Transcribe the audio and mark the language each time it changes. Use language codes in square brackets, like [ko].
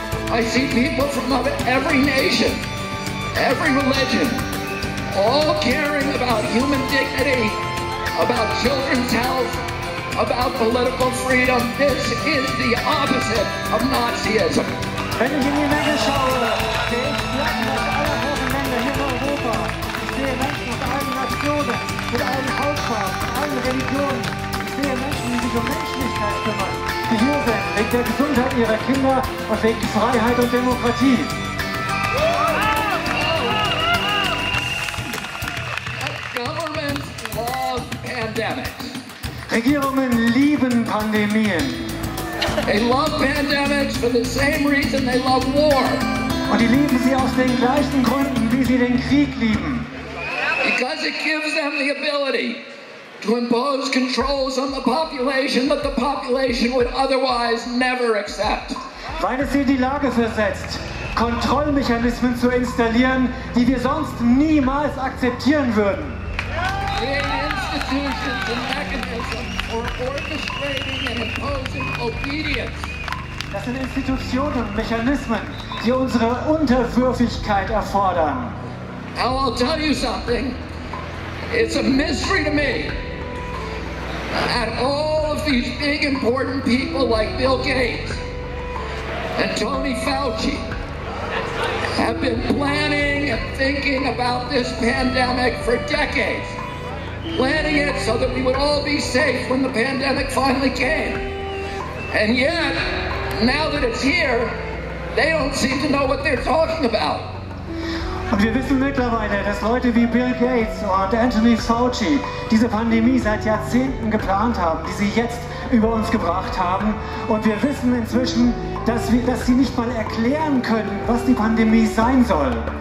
[en] I see people from every nation, every religion, all caring about human dignity, about children's health, about political freedom. This is the opposite of Nazism. [de] Wenn ich in die Menge schaue, sehe ich Flaggen aus aller großen Länder hier in Europa. Ich sehe Menschen aus allen Nationen, mit allen Hautfarben, allen Religionen. Ich sehe Menschen, die sich um Menschlichkeit kümmern, die hier sind, wegen der Gesundheit ihrer Kinder und wegen Freiheit und Demokratie. [en] Governments love pandemics. [de] Regierungen lieben Pandemien. [en] They love pandemics for the same reason they love war. [de] Und die lieben sie aus den gleichen Gründen, wie sie den Krieg lieben. [en] Because it gives them the ability to impose controls on the population that the population would otherwise never accept. [de] Weil es sie in die Lage versetzt, Kontrollmechanismen zu installieren, die wir sonst niemals akzeptieren würden. [en] In institutions and mechanisms for orchestrating and imposing obedience. [de] Das sind Institutionen und Mechanismen, die unsere Unterwürfigkeit erfordern. [en] Now I'll tell you something. It's a mystery to me that all of these big important people like Bill Gates and Tony Fauci have been planning and thinking about this pandemic for decades. Planning it so that we would all be safe when the pandemic finally came. And yet, now that it's here, they don't seem to know what they're talking about. [de] Und wir wissen mittlerweile, dass Leute wie Bill Gates und Anthony Fauci diese Pandemie seit Jahrzehnten geplant haben, die sie jetzt über uns gebracht haben. Und wir wissen inzwischen, dass sie nicht mal erklären können, was die Pandemie sein soll.